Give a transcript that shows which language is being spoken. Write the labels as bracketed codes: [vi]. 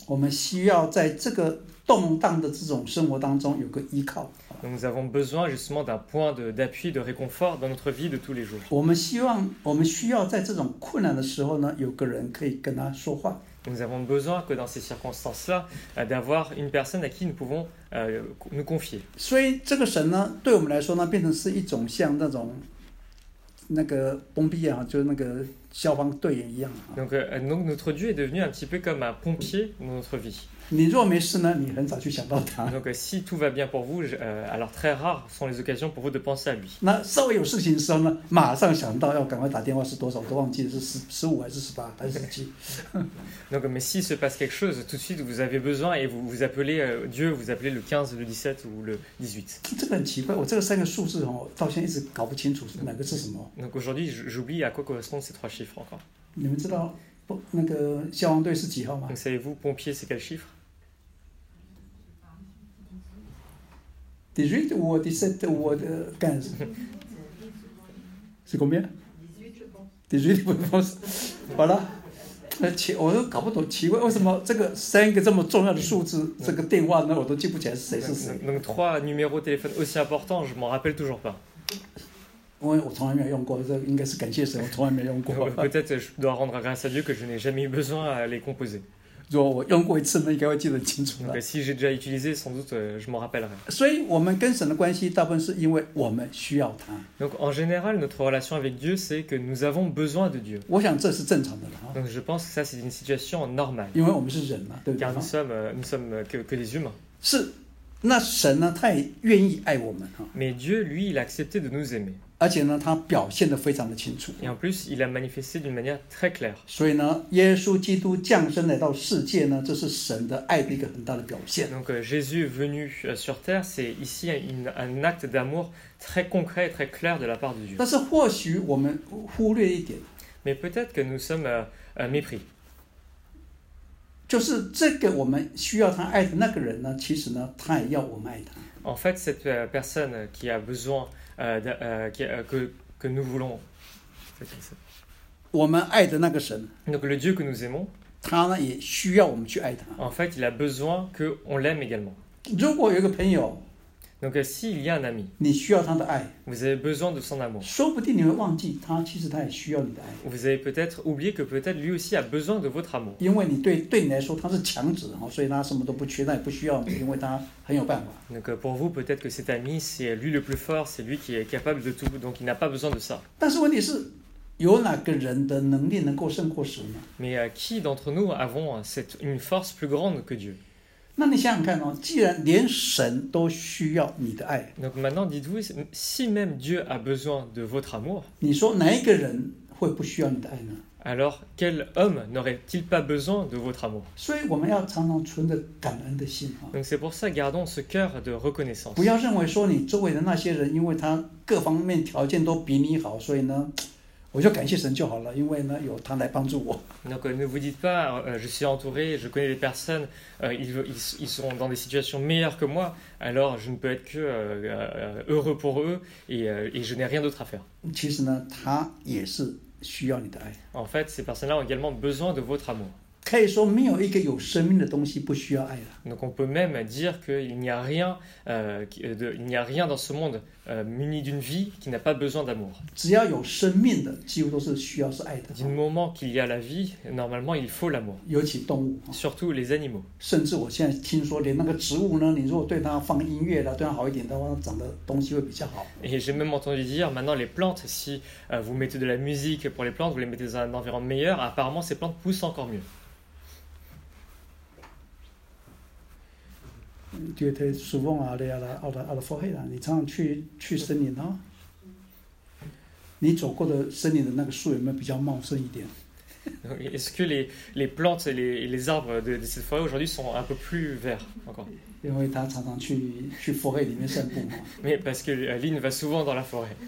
[zh] 我们需要在这个动荡的这种生活当中有个依靠 [fr] Donc nous avons besoin justement d'un point d'appui, de réconfort dans notre vie de tous les jours [zh] 我们需要在这种困难的时候呢有个人可以跟他说话 [fr] Donc, nous avons besoin que dans ces circonstances-là d'avoir une personne à qui nous pouvons nous confier [zh] 所以这个神呢对我们来说呢变成是一种像那种那个崩壁啊，就是那个消防队员一样。 [fr] Donc notre Dieu est devenu un petit peu comme un pompier dans notre vie. [zh] 你若没事呢，你很少去想到他。 [fr] Donc si tout va bien pour vous, alors très rares sont les occasions pour vous de penser à lui. [zh] 那稍微有事情的时候呢，马上想到要赶快打电话是多少，我都忘记了是15还是18还是几。 [fr] Donc mais si se passe quelque chose, tout de suite vous avez besoin et vous appelez Dieu, vous appelez le 15, le 17 ou le 18. [zh] 这个很奇怪，我这个三个数字哦，到现在一直搞不清楚哪个是什么。 [fr] Donc aujourd'hui, j'oublie à quoi correspondent ces trois chiffres. [zh] 你们知道那个消防队是几号吗 [fr] Donc, savez-vous, pompier, c'est quel chiffre? 18 ou 17 ou 15? C'est combien? 18, je pense. Voilà. [zh] 我都搞不懂，奇怪，为什么这个三个这么重要的数字，这个电话呢，我都记不起来是谁是谁。 [fr] Donc, trois numéros de téléphone aussi importants, je m'en rappelle toujours pas. [zh] 我从来没有用过，这应该是感谢神，我从来没用过。 [fr] Peut-être je dois rendre grâce à Dieu que je n'ai jamais eu besoin à les composer. [zh] 如果我用过一次，那应该会记得清楚了。 [fr] Si j'ai déjà utilisé, sans doute je m'en rappellerai. [zh] 所以我们跟神的关系大部分是因为我们需要他。 [fr] Donc en général, notre relation avec Dieu, c'est que nous avons besoin de Dieu. [zh] 我想这是正常的了。 [fr] Donc je pense que ça, c'est une situation normale. [zh] 因为我们是人嘛，对不对？ [fr] Car nous sommes que des humains. [zh] 是。那神呢，他也愿意爱我们。 [fr] Mais Dieu, lui, il a accepté de nous aimer. [zh] 而且呢，他表现得非常的清楚。 [fr] Et en plus, il a manifesté d'une manière très claire. [zh] 所以呢，耶稣基督降生来到世界呢，这是神的爱的一个很大的表现。 [fr] Donc, Jésus est venu sur terre, c'est ici un acte d'amour très concret, très clair de la part de Dieu. [zh] 但是或许我们忽略一点。 [fr] Mais peut-être que nous sommes mépris. [zh] 就是这个我们需要他爱的那个人呢，其实呢，他也要我们爱他。 [fr] En fait, cette personne qui a besoin de, qui, que nous voulons, [zh] 我们爱的那个神。 [fr] Donc le Dieu que nous aimons, [zh] 他呢也需要我们去爱他。 [fr] En fait, il a besoin que on l'aime également. [zh] 如果有一个朋友。 [fr] Donc s'il y a un ami, [zh] 你需要他的爱。 [fr] Vous avez besoin de son amour. [zh] 说不定你会忘记他，其实他也需要你的爱。 [fr] Vous avez peut-être oublié que peut-être lui aussi a besoin de votre amour. [zh] 因为你对你来说他是强子，所以他什么都不缺，他也不需要你，因为他很有办法。 [fr] Donc pour vous peut-être que cet ami c'est lui le plus fort, c'est lui qui est capable de tout, donc il n'a pas besoin de ça. [zh] 但是问题是，有哪个人的能力能够胜过神呢？ [fr] Mais qui d'entre nous avons cette une force plus grande que Dieu? [zh] 那你想想看哦，既然连神都需要你的爱 [fr] ，Donc maintenant dites-vous, si même Dieu a besoin de votre amour, [zh] 你说哪一个人会不需要你的爱呢 [fr] ？Alors quel homme n'aurait-il pas besoin de votre amour？ [zh] 所以我们要常常存着感恩的心啊。 [fr] Donc c'est pour ça gardons ce cœur de reconnaissance。 [zh] 不要认为说你周围的那些人，因为他各方面条件都比你好，所以呢。我就感谢神就好了，因为呢有他来帮助我。 [fr] Donc ne vous dites pas, je suis entouré, je connais des personnes, ils sont dans des situations meilleures que moi, alors je ne peux être que heureux pour eux et je n'ai rien d'autre à faire. [zh] 其实呢，他也是需要你的爱。 [fr] En fait, ces personnes-là ont également besoin de votre amour. [zh] 可以说没有一个有生命的东西不需要爱了。 [fr] Donc on peut même dire qu'il n'y a rien, il n'y a rien dans ce monde. Muni d'une vie qui n'a pas besoin d'amour. [zh] 只要有生命的，几乎都是需要是爱的。 [fr] Du moment qu'il y a la vie, normalement il faut l'amour. [zh] 尤其动物。 [fr] Surtout les animaux. [zh] 甚至我现在听说，连那个植物呢，你如果对它放音乐了，对它好一点的话，长的东西会比较好。 [fr] Et j'ai même entendu dire, maintenant les plantes, si vous mettez de la musique pour les plantes, vous les mettez dans un environnement meilleur, apparemment ces plantes poussent encore mieux. Dieu t'a souvent allé à la forêt, là. [zh] 你常常去森林啊？你走过的森林的那个树有没有比较茂盛一点？ [fr] Est-ce que les plantes et les arbres de cette forêt aujourd'hui sont un peu plus verts encore? [zh] 因为他常常去 forêt 里面散步嘛。 [fr] Mais parce que Lynn va souvent dans la forêt.